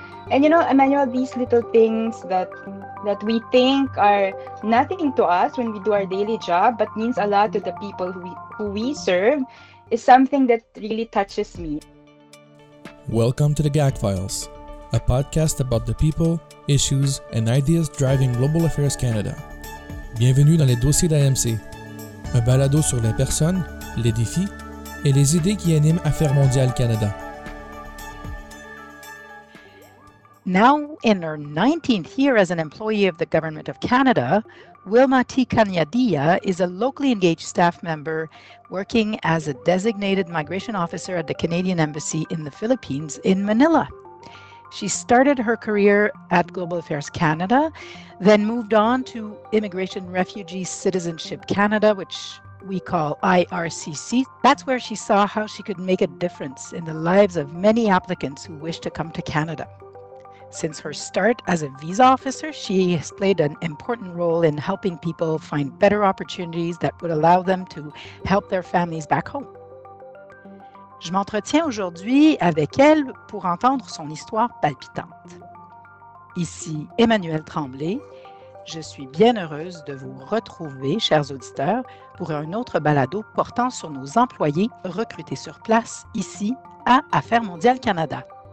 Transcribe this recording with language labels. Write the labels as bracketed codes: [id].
[en] And you know, Emmanuel, these little things that we think are nothing to us when we do our daily job, but means a lot to the people who we serve, is something that really touches me. Welcome to the GAC Files, a podcast about the people, issues, and ideas driving Global Affairs Canada. [fr] Bienvenue dans les dossiers d'AMC, un balado sur les personnes, les défis et les idées qui animent Affaires mondiales Canada. [en] Now in her 19th year as an employee of the Government of Canada, Wilma T. Kanyadia is a locally engaged staff member working as a designated migration officer at the Canadian Embassy in the Philippines in Manila. She started her career at Global Affairs Canada, then moved on to Immigration Refugee Citizenship Canada, which we call IRCC. That's where she saw how she could make a difference in the lives of many applicants who wish to come to Canada. Since her start as a visa officer, she has played an important role in helping people find better opportunities that would allow them to help their families back home. [fr] Je m'entretiens aujourd'hui avec elle pour entendre son histoire palpitante. Ici Emmanuelle Tremblay, je suis bien heureuse de vous retrouver, chers auditeurs, pour un autre balado portant sur nos employés recrutés sur place ici à Affaires mondiales Canada.